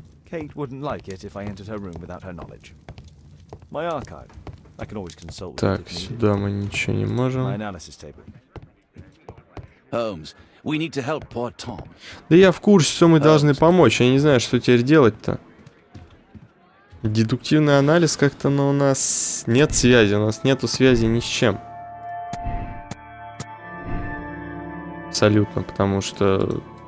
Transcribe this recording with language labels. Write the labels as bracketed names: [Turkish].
[English] Kate wouldn't like it if I entered her room without her knowledge. My archive. I can always consult. [Russian] Так, сюда мы ничего не можем. [English] Holmes, we need to help poor Tom. [Russian] Да я в курсе, что мы Holmes. Должны помочь. Я не знаю, что теперь делать-то. Дедуктивный анализ как-то, но у нас нет связи. У нас нету связи ни с чем. Абсолютно, потому что...